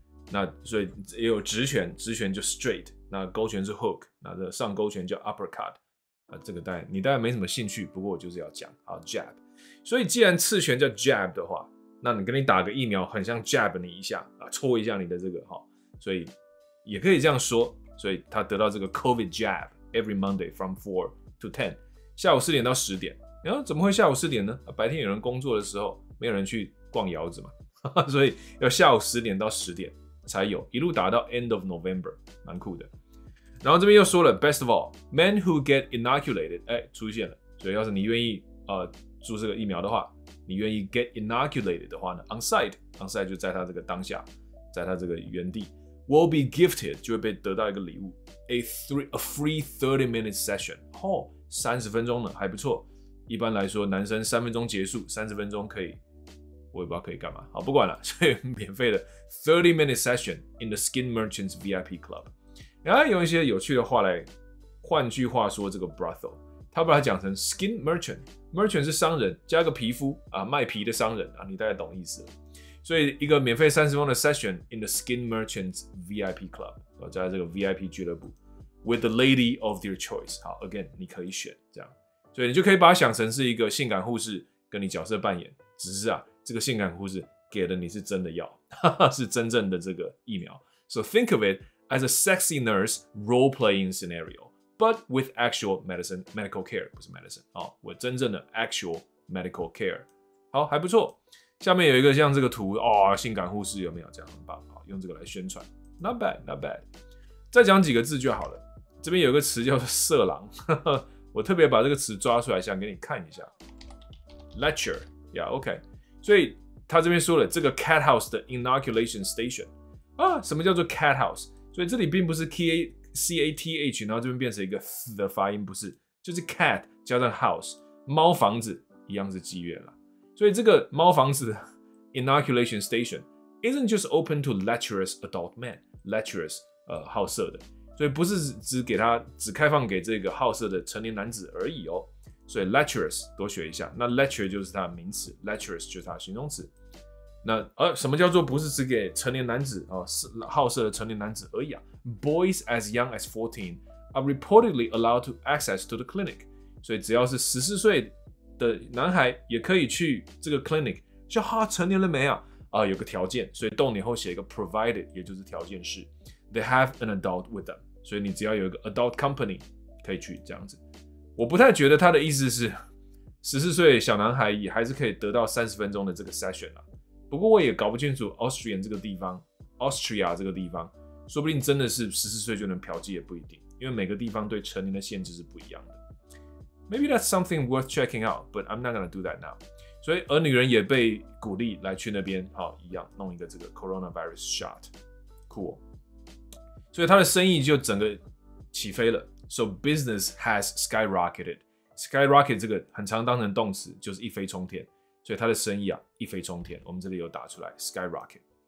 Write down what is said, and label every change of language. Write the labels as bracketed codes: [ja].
[zh] 那所以也有直拳就 straight， 那勾拳是 hook， 那这上勾拳叫 uppercut， 啊，这个大概没什么兴趣，不过我就是要讲啊 jab。所以既然刺拳叫 jab 的话，那你跟你打个疫苗很像 jab 你一下啊，戳一下你的这个哈，所以也可以这样说。所以他得到这个 [en] COVID jab every Monday from 4 to 10。 [zh] 下午四点到十点，然后怎么会下午四点呢？白天有人工作的时候，没有人去逛窑子嘛，所以要下午四点到十点才有，一路打到 [en] end of November， [zh] 蛮酷的。然后这边又说了 ， [en] best of all， men who get inoculated， [zh] 出现了，所以要是你愿意注射个疫苗的话，你愿意 get inoculated 的话呢 ，on site 就在他这个当下，在他这个原地 ， [en] will be gifted [zh] 就会被得到一个礼物 ， [en] a free 30-minute session， [zh] 30分钟呢，还不错。一般来说，男生3分钟结束，30分钟可以，我也不知道可以干嘛。好，不管了，所以免费的 [en] 30-minute session in the Skin Merchants VIP Club。 [zh] 然后用一些有趣的话来，换句话说，这个 brothel， 他把它讲成 Skin Merchant，Merchant 是商人，加个皮肤啊，卖皮的商人啊，你大概懂意思了。所以一个免费30分钟的 [en] session in the Skin Merchants VIP Club， [zh] 加这个 VIP 俱乐部。 [en] With the lady of your choice， [zh] 好 ，again， 你可以选这样，所以你就可以把它想成是一个性感护士跟你角色扮演，只是啊，这个性感护士给的你是真的药，是真正的这个疫苗。 [en] So think of it as a sexy nurse role playing scenario， but with actual medical care， [zh] 不是 [en] medicine， [zh] 好，我真正的 [en] actual medical care， [zh] 好，还不错。下面有一个像这个图啊、哦，性感护士有没有？这样很棒，好，用这个来宣传 ， [en] not bad， not bad。 [zh] 再讲几个字就好了。这边有一个词叫做色狼，呵呵，我特别把这个词抓出来，想给你看一下。 [en] Lecture， yeah， OK。 [zh] 所以他这边说了这个 cat house 的 inoculation station 啊，什么叫做 cat house？ 所以这里并不是 cath， 然后这边变成一个 th 的发音，不是，就是 cat 加上 house， 猫房子一样是妓院了。所以这个猫房子 inoculation station [en] isn't just open to lecherous adult men， [zh] lecherous 好色的，所以不是只给他只开放给这个好色的成年男子而已哦。所以 lecherous 多学一下，那 lecher 就是它的名词， lecherous 就是它的形容词。那什么叫做不是只给成年男子哦，好色的成年男子而已啊？ [en] Boys as young as 14 are reportedly allowed to access to the clinic， [zh] 所以只要是14岁的男孩也可以去这个 [en] clinic， [zh] 就哈成年了没啊？有个条件，所以动你后写一个 provided， 也就是条件是 [en] they have an adult with them， [zh] 所以你只要有一个 adult company 可以去这样子。我不太觉得他的意思是14岁小男孩也还是可以得到30分钟的这个 session 啦，不过我也搞不清楚 Austrian 这个地方 Austria 这个地方说不定真的是14岁就能嫖妓也不一定，因为每个地方对成年的限制是不一样的。 [en] Maybe that's something worth checking out， but I'm not gonna do that now。 [zh] 所以而女人也被鼓励来去那边，好，一样弄一个这个 coronavirus shot， cool。所以他的生意就整个起飞了， [en] so business has skyrocketed。 [zh] skyrocket 这个很常当成动词，就是一飞冲天，所以他的生意啊一飞冲天，我们这里有打出来 skyrocket。